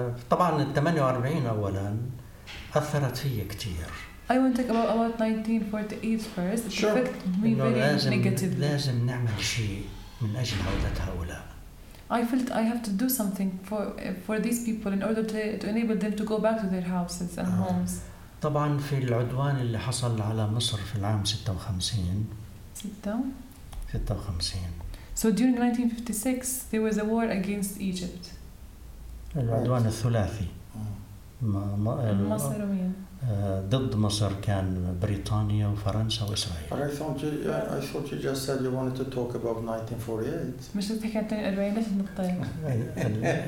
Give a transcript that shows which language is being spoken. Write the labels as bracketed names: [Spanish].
[Arabic] طبعاً الثمانية وأربعين أولاً أثرت فيه كتير. [English] I want to talk about 1948 first. It sure. Affected me very negatively. [Arabic] لازم نعمل شيء من أجل عودة هؤلاء. [English] I felt I have to do something for these people in order to enable them to go back to their houses and homes. [Arabic] طبعاً في العدوان اللي حصل على مصر في العام 56. [English] 56. So during 1956, there was a war against Egypt. [Arabic] العدوان الثلاثي. مصر ومين؟ ضد مصر كان بريطانيا وفرنسا وإسرائيل. [English] But I thought you just said you wanted to talk about 1948.